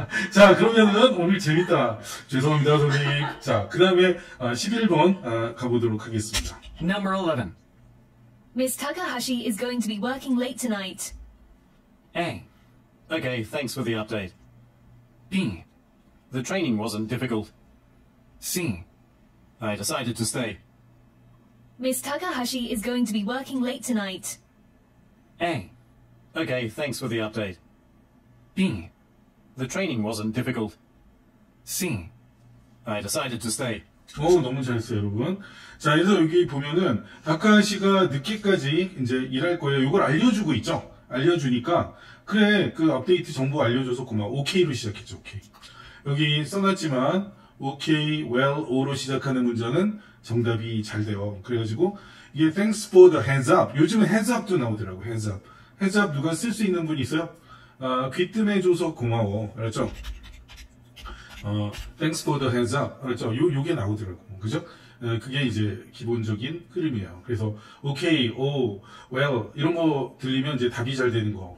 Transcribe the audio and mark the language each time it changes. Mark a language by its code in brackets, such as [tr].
[ko] 자, 그러면은 오늘 재밌다. 죄송합니다, 선생님. 자, 그 다음에 11번 가보도록 하겠습니다. [en] Number 11. Miss Takahashi is going to be working late tonight. A. Okay, thanks for the update. B. The training wasn't difficult. C. I decided to stay. Miss Takahashi is going to be working late tonight. A. Okay, thanks for the update. B. The training wasn't difficult. C. I decided to stay. [ko] 오, 너무 잘했어요, 여러분. 자, 그래서 여기 보면은 다카하시가 늦게까지 이제 일할 거예요. 이걸 알려주고 있죠? 알려주니까 그래, 그 업데이트 정보 알려줘서 고마워. OK로 시작했죠, OK. 여기 써놨지만 OK, well, O로 시작하는 문장은 정답이 잘 돼요. 그래가지고 이게 [en] thanks for the heads up. [ko] 요즘은 heads up도 나오더라고. [en] heads up. [ko] heads up 누가 쓸 수 있는 분 있어요? 귀뜸해 줘서 고마워. 알았죠? [en] thanks for the heads up. [ko] 알았죠? 요게 나오더라고. 그죠? 그게 이제 기본적인 흐름이에요. 그래서 okay, oh, well 이런 거 들리면 이제 답이 잘 되는 거.